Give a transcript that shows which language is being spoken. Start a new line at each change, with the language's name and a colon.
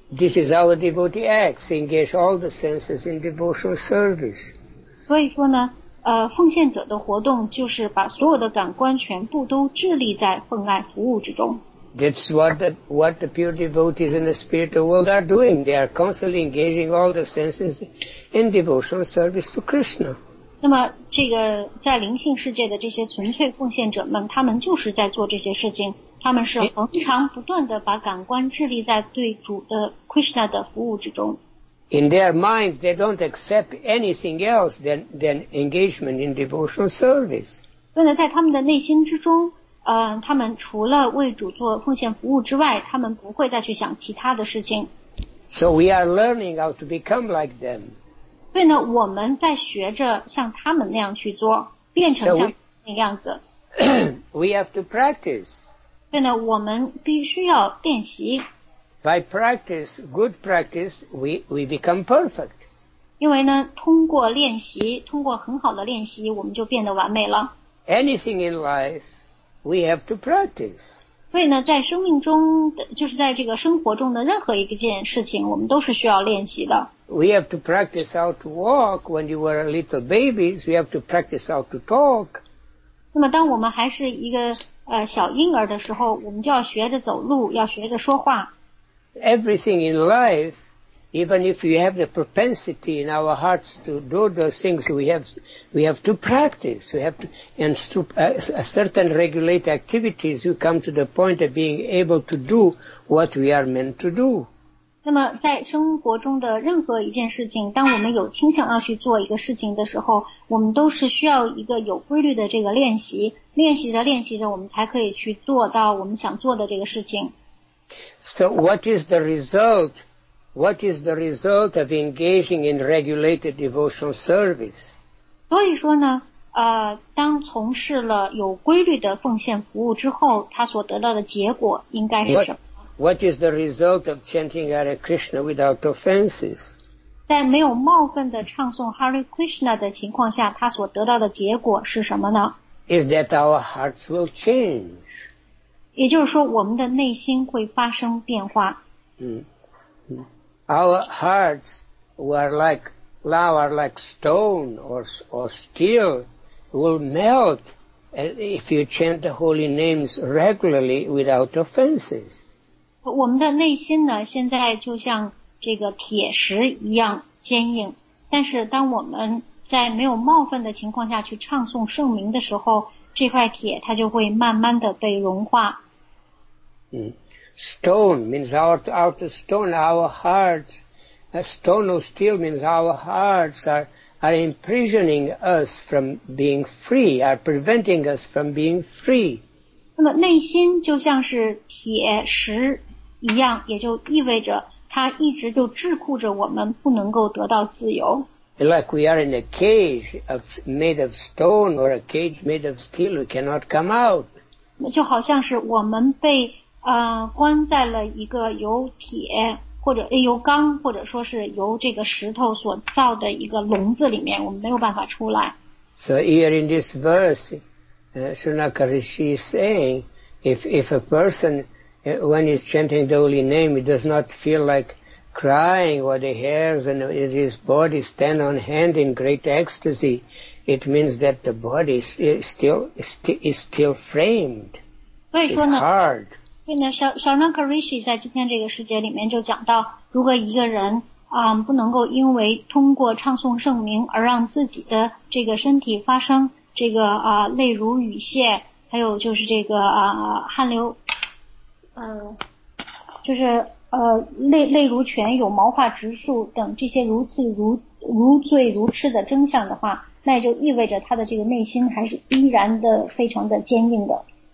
English: This is how a devotee acts, engage all the senses in devotional service.
Chinese: 所以说呢，奉献者的活动就是把所有的感官全部都致力在奉爱服务之中。
English: That's what the pure devotees in the spiritual world are doing. They are constantly engaging all the senses in devotional service to Krishna.
Chinese: 那么这个在灵性世界的这些纯粹奉献者们，他们就是在做这些事情。他们是恒常不断地把感官致力在对主的 Krishna 的服务之中。
English: In their minds, they don't accept anything else than engagement in devotional service.
Chinese: 所以在他们的内心之中，他们除了为主做奉献服务之外，他们不会再去想其他的事情。
English: So we are learning how to become like them.
Chinese: 所以呢，我们在学着像他们那样去做，变成像他们那样子。
English: We have to practice.
Chinese: 所以呢，我们必须要练习。
English: By practice, good practice, we become perfect.
Chinese: 因为呢，通过练习，通过很好的练习，我们就变得完美了。
English: Anything in life, we have to practice.
Chinese: 所以呢，在生命中，就是在这个生活中的任何一件事情，我们都是需要练习的。
English: We have to practice how to walk when you were a little babies. We have to practice how to talk.
Chinese: 那么，当我们还是一个小婴儿的时候，我们就要学着走路，要学着说话。
English: Everything in life, even if we have the propensity in our hearts to do those things, we have to practice. We have to, and a certain regulated activities, you come to the point of being able to do what we are meant to do.
Chinese: 那么在生活中的任何一件事情，当我们有倾向要去做一个事情的时候，我们都是需要一个有规律的这个练习，练习着练习着，我们才可以去做到我们想做的这个事情。
English: So what is the result? What is the result of engaging in regulated devotional service?
Chinese: 所以说呢，当从事了有规律的奉献服务之后，他所得到的结果应该是什么？
English: What is the result of chanting Hare Krishna without offenses?
Chinese: 在没有冒犯的唱诵 Hare Krishna 的情况下，他所得到的结果是什么呢？
English: Is that our hearts will change?
Chinese: 也就是说我们的内心会发生变化。
English: Our hearts were like flour, like stone or steel will melt if you chant the holy names regularly without offenses.
Chinese: 我们的内心呢现在就像这个铁石一样坚硬，但是当我们在没有冒犯的情况下去唱诵圣名的时候，这块铁它就会慢慢的被融化。
English: Stone means outer stone, our hearts. A stone or steel means our hearts are imprisoning us from being free, are preventing us from being free.
Chinese: 那么内心就像是铁石一样，也就意味着它一直就桎梏着我们，不能够得到自由。
English: Like we are in a cage made of stone or a cage made of steel, we cannot come out.
Chinese: 就好像是我们被关在了一个由铁或者由钢或者说是由这个石头所造的一个笼子里面，我们没有办法出来。
English: So here in this verse, Sunaka Rishi is saying, if a person, when he's chanting the holy name, he does not feel like crying or the hairs and his body stand on hand in great ecstasy, it means that the body is still framed. It's hard.
Chinese: 所以呢 Sharanka Rishi 在今天这个世界里面就讲到，如果一个人不能够因为通过唱诵圣名而让自己的这个身体发生这个泪如雨泻，还有就是这个汗流就是泪如泉涌毛发直竖等这些如醉如痴的征象的话，那也就意味着他的这个内心还是依然的非常的坚硬的。